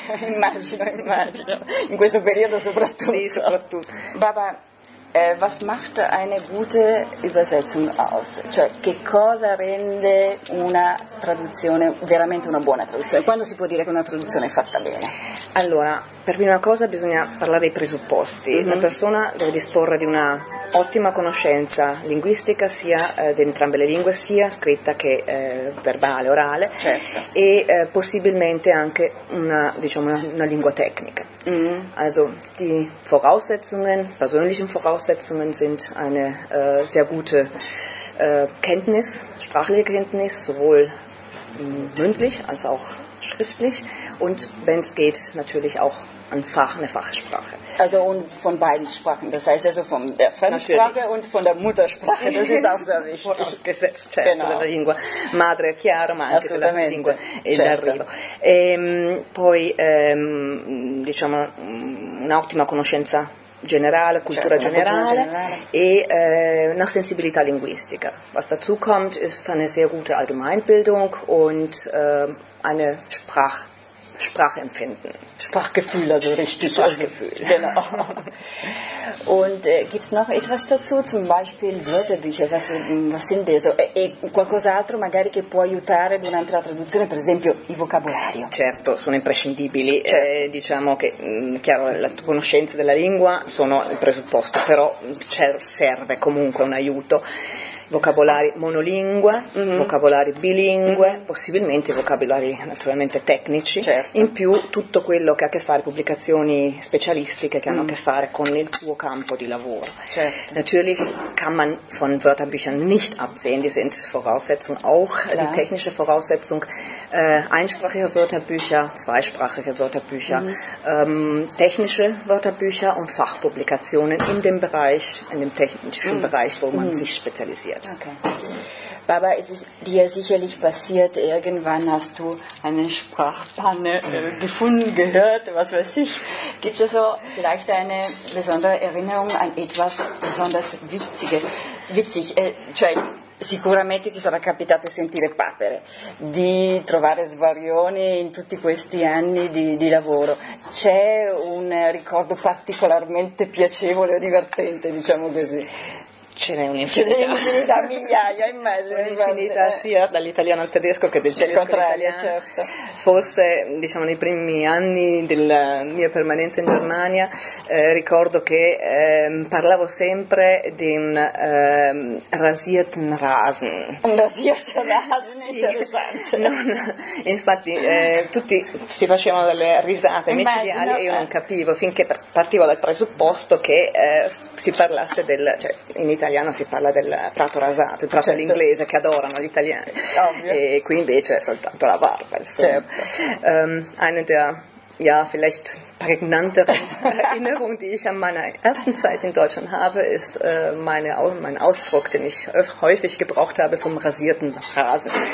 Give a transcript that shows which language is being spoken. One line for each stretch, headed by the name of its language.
Italian: Immagino, in questo periodo soprattutto. Sì, soprattutto.
German: Baba, was macht eine gute Übersetzung aus?
Italian: Cioè, che cosa rende una traduzione, veramente una buona traduzione? Quando si può dire che una traduzione è fatta bene? Allora, per prima cosa bisogna parlare dei presupposti. Mm-hmm. Una persona deve disporre di una ottima conoscenza linguistica, sia di entrambe le lingue, sia scritta che verbale, orale, certo. E possibilmente anche una, diciamo, una lingua tecnica. Mm-hmm.
German: Also, die Voraussetzungen, persönlichen Voraussetzungen sind eine sehr gute Kenntnis, sprachliche Kenntnis, sowohl mündlich als auch schriftlich und wenn es geht natürlich auch eine Fachsprache. Also und von beiden Sprachen, das heißt also von der Fremdsprache natürlich. Und von der Muttersprache, das ist auch sehr wichtig. Vorausgesetzt,
Italian: certo,
German: genau.
Italian: Della lingua madre è chiaro, ma anche della lingua certo. In arrivo. E, poi, diciamo, un'ottima conoscenza generale, cultura certo, generale. E una sensibilità linguistica.
German: Was dazu kommt, ist eine sehr gute Allgemeinbildung und eine Sprachempfinden. Sprachgefühl, also richtig. Sprachgefühl. Also, genau. Und gibt es noch etwas dazu, zum Beispiel Wörterbücher? Was sind das?
Italian: E qualcos'altro magari che può aiutare in un'altra traduzione, per esempio il vocabolario. Certo, sono imprescindibili. Certo. Diciamo che, chiaro, la conoscenza della lingua sono il presupposto, però serve comunque un aiuto. Vocabolari monolingue, mm-hmm. Vocabolari bilingue, mm-hmm. Possibilmente vocabolari naturalmente tecnici, certo. In più tutto quello che ha a che fare, pubblicazioni specialistiche che hanno a che fare con il tuo campo di lavoro. Certo.
German: Natürlich kann man von Wörterbüchern nicht absehen, die sind Voraussetzung auch, klar. Die technische Voraussetzung, einsprachige Wörterbücher, zweisprachige Wörterbücher, mm-hmm. Technische Wörterbücher und Fachpublikationen in dem Bereich, in dem technischen mm-hmm. Bereich, wo man sich spezialisiert. Okay. Baba, es ist dir sicherlich passiert, irgendwann hast du eine Sprachpanne gefunden, gehört, was weiß ich. Gibt es so vielleicht eine besondere Erinnerung an etwas besonders Witziges? Witzig,
Italian: cioè, sicuramente ti sarà capitato di sentire papere, di trovare svarioni in tutti questi anni di lavoro. C'è un ricordo particolarmente piacevole o divertente, diciamo così? Ce n'è un'infinità, migliaia, immagino. Un'infinità sia dall'italiano al tedesco che del tedesco all'italiano. Certo. Forse, diciamo, nei primi anni della mia permanenza in Germania, ricordo che parlavo sempre di un
German: rasierten Rasen. Un rasierten Rasen,
Italian: sì. Interessante. Infatti, tutti si facevano delle risate micidiali e io non capivo, finché partivo dal presupposto che si parlasse del... Cioè, in italiano si parla del prato rasato, il prato certo. All'inglese che adorano gli italiani. Ovvio. E qui invece è soltanto la barba, insomma. Certo.
German: Eine der ja, vielleicht prägnantere Erinnerung, die ich an meiner ersten Zeit in Deutschland habe, ist mein Ausdruck, den ich häufig gebraucht habe, vom rasierten Rasen.